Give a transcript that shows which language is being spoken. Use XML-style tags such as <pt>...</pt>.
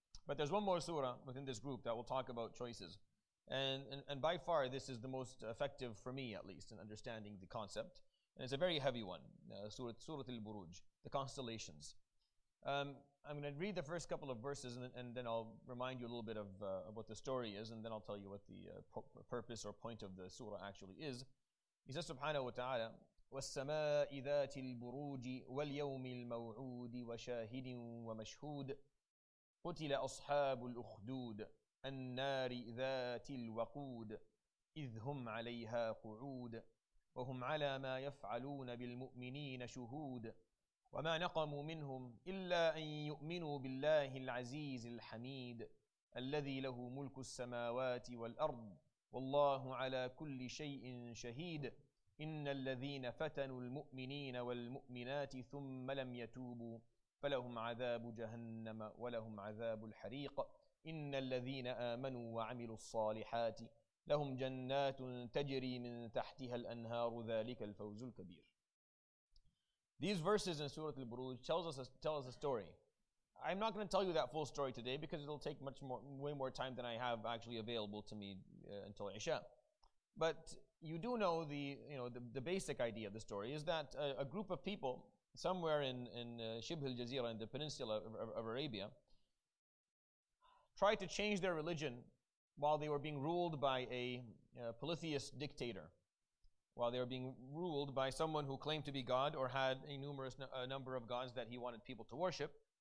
<en>But there's one more surah within this group that will talk about choices. And by far, this is the most effective for me, at least, in understanding the concept. And it's a very heavy one, Surah Al-Buruj, the constellations. I'm going to read the first couple of verses, and then I'll remind you a little bit of what the story is, and then I'll tell you what the purpose or point of the surah actually is. He says,</en> <ar>subhanahu wa ta'ala, وَالسَّمَاءِ ذَاتِ الْبُرُوجِ وَالْيَوْمِ الْمَوْعُودِ وَشَاهِدٍ وَمَشْهُودٍ قُتِلَ أَصْحَابُ الْأُخْدُودِ النَّارِ ذَاتِ الْوَقُودِ إِذْ هُمْ عَلَيْهَا قُعُودٌ وَهُمْ عَلَى مَا يَفْعَلُونَ بِالْمُؤْمِنِينَ شُهُودٌ وَمَا نَقَمُوا مِنْهُمْ إِلَّا أَنْ يُؤْمِنُوا بِاللَّهِ الْعَزِيزِ الْحَمِيدِ الَّذِي لَهُ مُلْكُ السَّمَاوَاتِ وَالْأَرْضِ والله على كل شيء شهيد إن الذين فتنوا المؤمنين والمؤمنات ثم لم يتوبوا فلهم عذاب جهنم ولهم عذاب الحريق إن الذين آمنوا وعملوا الصالحات لهم جنات تجري من تحتها الأنهار ذلك الفوز الكبير.</ar> <en>These verses in Surah Al-Buruj tells us a story. I'm not going to tell you that full story today because it'll take much more, way more time than I have actually available to me until Isha. But you do know the basic idea of the story is that a group of people somewhere in Shibh al-Jazeera, in the peninsula of Arabia, tried to change their religion while they were being ruled by a polytheist dictator, while they were being ruled by someone who claimed to be God or had a number of gods that he wanted people to worship.</en>